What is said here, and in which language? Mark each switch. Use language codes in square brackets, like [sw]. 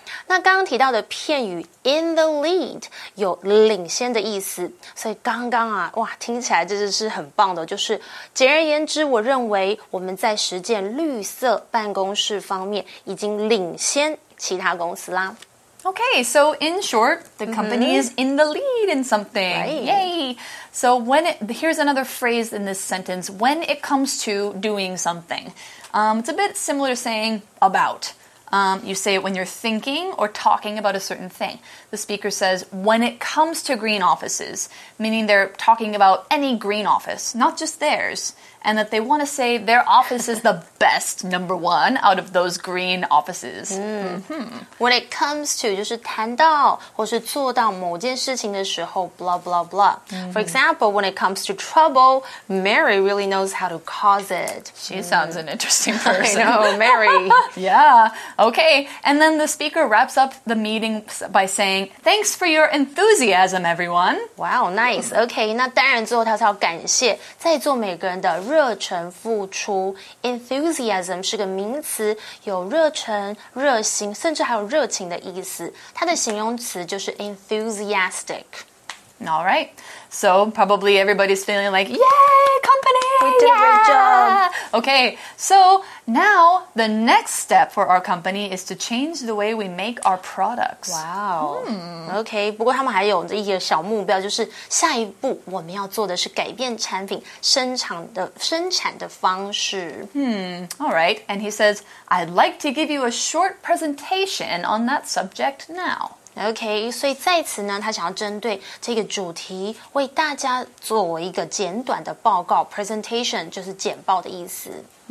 [zh] 那刚刚提到的片语 [en] in the lead [zh] 有领先的意思，所以刚刚啊，哇，听起来这就是很棒的。就是简而言之，我认为我们在实践绿色办公室方面已经领先其他公司啦。 [en] Okay, so in short, the company is in the lead in something. Right. Yay! So here's another phrase in this sentence. When it comes to doing something, it's a bit similar to saying about. You say it when you're thinking or talking about a certain thing. The speaker says, when it comes to green offices, meaning they're talking about any green office, not just theirs. and that they want to say their office is the best number one out of those green offices. When it comes to [zh] 就是谈到或是做到某件事情的时候 [en] blah blah blah. For example, when it comes to trouble, Mary really knows how to cause it. She sounds an interesting person. I know, Mary. Yeah, okay. And then the speaker wraps up the meeting by saying, thanks for your enthusiasm, everyone. Wow, nice. Okay, [zh] 那当然最后他是要感谢在座每个人的热忱付出。 [en] Enthusiasm [zh] 是个名词，有热忱、热心，甚至还有热情的意思。它的形容词就是 [en] enthusiastic. All right. So probably everybody's feeling like, yay, company! We did a great job. Okay, so now the next step for our company is to change the way we make our products. Wow. Okay, [zh] 不过他们还有一个小目标，就是下一步我们要做的是改变产品生产的方式。 [en] All right, and he says, I'd like to give you a short presentation on that subject now. Okay, [zh] 所以在此呢，他想要针对这个主题为大家做一个简短的报告 , [en] presentation [zh] 就是简报的意思。